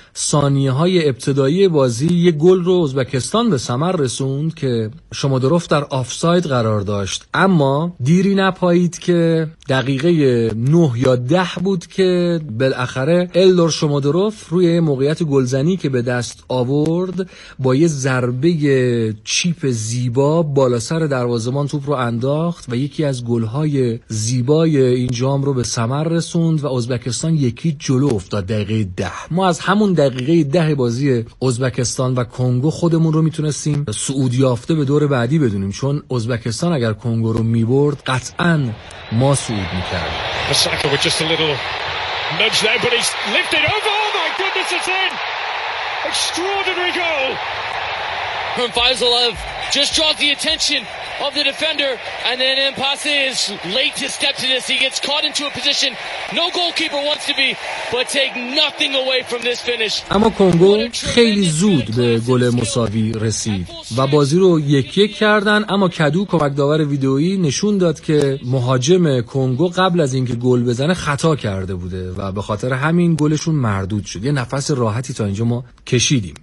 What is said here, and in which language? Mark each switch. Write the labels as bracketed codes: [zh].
[fa] ثانیه های ابتدایی بازی یک گل رو ازبکستان به ثمر رسوند که شما درفت در آفساید قرار داشت، اما دیری نپایید که دقیقه 9 یا 10 بود که بالاخره الدور شما درفت روی موقعیت گلزنی که به دست آورد با یه ضربه چیپ زیبا بالا سر دروازه‌بان توپ رو انداخت و یکی از گل‌های زیبا این جام رو به ثمر رسوند و ازبکستان 1-0 جلو افتاد دقیقه 10. ما از همون دقیقه 10 بازی ازبکستان و کنگو خودمون رو میتونستیم صعودیافته به دور بعدی بدونیم، چون ازبکستان اگر کنگو رو میبرد قطعا ما صعود میکردیم. [en] Osaka with just a little nudge there, but he's lifted over. Oh my goodness, it's in! Extraordinary goal from Faisalov. Just draws the attention of the defender, and then Mpase is late to step to this. He gets caught into a position no goalkeeper wants to be, but take nothing away from this finish. [fa] اما کنگو خیلی زود به گل مساوی رسید و بازی رو 1-1 کردن، اما کدو کمک داور ویدئویی نشون داد که مهاجم کنگو قبل از اینکه گل بزنه خطا کرده بوده و به خاطر همین گلشون مردود شد. یه نفس راحتی تا اینجا ما کشیدیم.